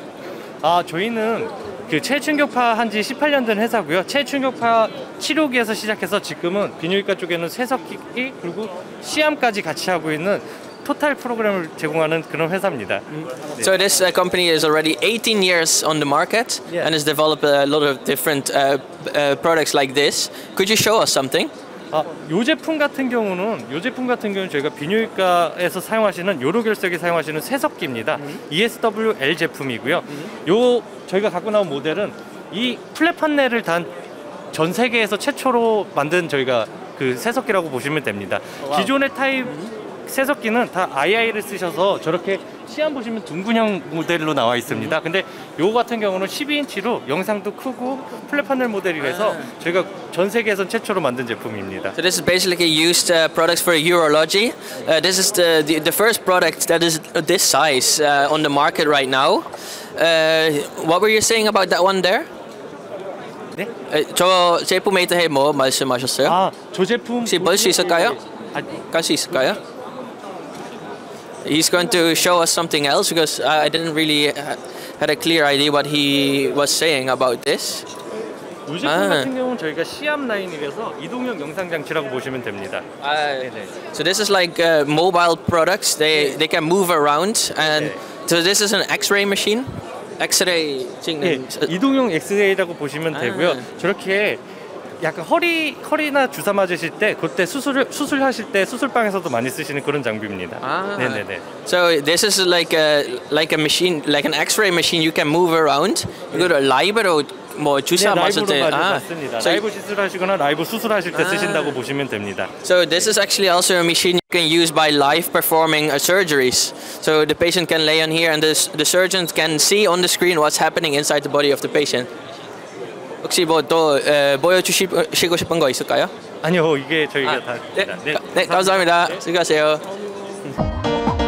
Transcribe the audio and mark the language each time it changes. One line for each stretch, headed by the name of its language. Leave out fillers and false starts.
Korean: 아, 저희는 그 체외충격파 한 지 18년 된 회사고요. 체외충격파 치료기에서 시작해서 지금은 비뇨기과 쪽에는 세석기 그리고 시암까지 같이 하고 있는 토탈 프로그램을 제공하는 그런 회사입니다.
English: So this company is already 18 years on the market yeah. and has developed a lot of different products like this. Could you show us something?
Korean: 아, 요 제품 같은 경우는 저희가 비뇨기과에서 사용하시는 요로결석이 사용하시는 세석기입니다. ESWL 제품이고요. 요 저희가 갖고 나온 모델은 이 플랫판넬을 단 전 세계에서 최초로 만든 저희가 그 세석기라고 보시면 됩니다. 기존의 타입 세석기는 다 II를 쓰셔서 저렇게 시안 보시면 둥근형 모델로 나와 있습니다. 근데 요거 같은 경우는 12인치로 영상도 크고 플랫판넬 모델이라서 저희가 전 세계에서 최초로 만든 제품입니다.
English: So this is basically used products for urology. This is the first product that is this size on the market right now. What were you saying about that one there?
Korean: 네? 저 제품에 대해 뭐 말씀하셨어요? 아, 저 제품 혹시 볼 수 있을까요? 아, 갈 수 있을까요?
English: He's going to show us something else because I didn't really had a clear idea what he was saying about this.
Korean: 요 제품 같은 경우는 저희가 시암 라인이라서 이동형 영상 장치라고 보시면 됩니다.
English: So this is like mobile products. They can move around and so this is an X-ray machine.
Korean: X-ray 찍는 이동형 X-ray라고 보시면 되고요. 저렇게 약간 허리나 주사 맞으실 때 그때 수술하실 때 수술방에서도 많이 쓰시는 그런 장비입니다. 아, 네네네.
English: So this is like a machine, like an X-ray machine. You can move around.
Korean: 이거를 라이브로 뭐 주사 네, 맞을 때. 네, 라이브로 맞습니다. 라이브 시술하시거나 라이브 수술하실 때 쓰신다고 보시면 됩니다.
English: So this is actually also a machine you can use by live performing surgeries. So the patient can lay on here and the surgeons can see on the screen what's happening inside the body of the patient.
Korean: 혹시 뭐 또 보여주시고 싶은 거 있을까요? 아니요, 이게 저희가 다 네, 감사합니다. 네. 수고하세요.